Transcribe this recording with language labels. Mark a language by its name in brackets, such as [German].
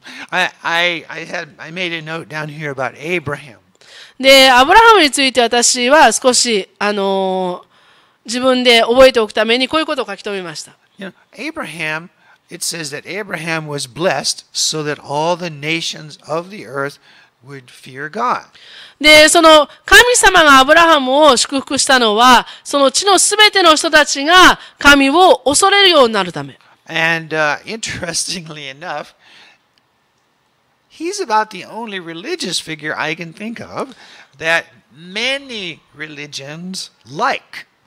[English] I made a note down here about Abraham. [Japanese] で、アブラハムについて私は少し、自分で覚えておくためにこういうことを書き留めました。 [English] アブラハム、it says that Abraham was blessed so that all the nations of the earth would fear God. [Japanese] で、その神様がアブラハムを祝福したのは、その地のすべての人たちが神を恐れるようになるため。 [English] And, interestingly enough,He's about the only religious figure I can think of that many religions like.